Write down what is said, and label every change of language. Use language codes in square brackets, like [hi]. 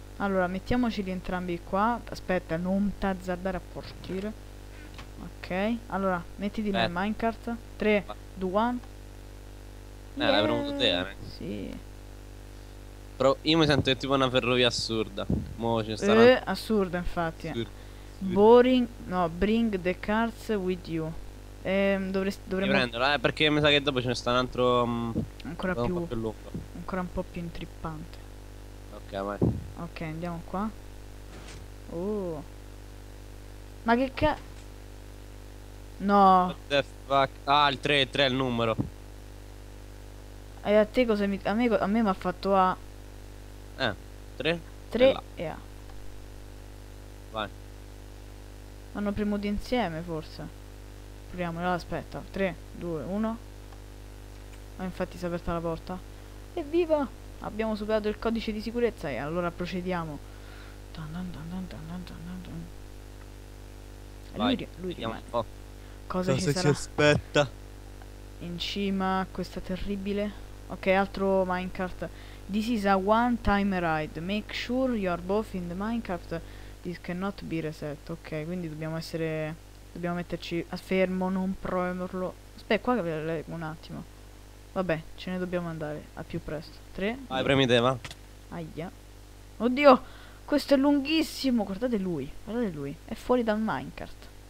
[it] Allora, mettiamoceli entrambi qua. Aspetta, non t'azzardare a portire. Ok. Allora, mettiti nel minecart. 3, 2, 1. L'hai premuto te, Sì. Però io mi sento tipo una ferrovia assurda. Mo ci sta assurda, infatti. Boring. [en] No, bring the cards with you. [it] Dovremmo prenderla, perché mi sa che dopo ce ne sta un altro ancora più, un po' più lungo. Ancora un po' più intrippante. Ok, vai. Ok, andiamo qua. Ma che ca... No. [en] What the fuck? [it] Ah, il 3, il 3 è il numero. E a te cosa mi... A me mi ha fatto A. 3? 3 e A. Vai. Hanno premuto insieme, forse. Proviamo, aspetta. 3, 2, 1. Ah, infatti si è aperta la porta. Evviva! Abbiamo superato il codice di sicurezza e allora procediamo. Dun dun dun dun dun dun dun. Vai, lui rimane. Cosa ci aspetta? In cima a questa terribile... [en] Ok, [it] altro minecart. [en] This is a one time ride. Make sure you are both in the minecart. This cannot be reset. [it] Ok, quindi dobbiamo essere... Dobbiamo metterci a fermo, non premerlo. Aspetta, qua un attimo. Vabbè, ce ne dobbiamo andare. A più presto. 3. Vai, premi te, va. Aia. Oddio, questo è lunghissimo. Guardate lui. Guardate lui. È fuori dal minecart.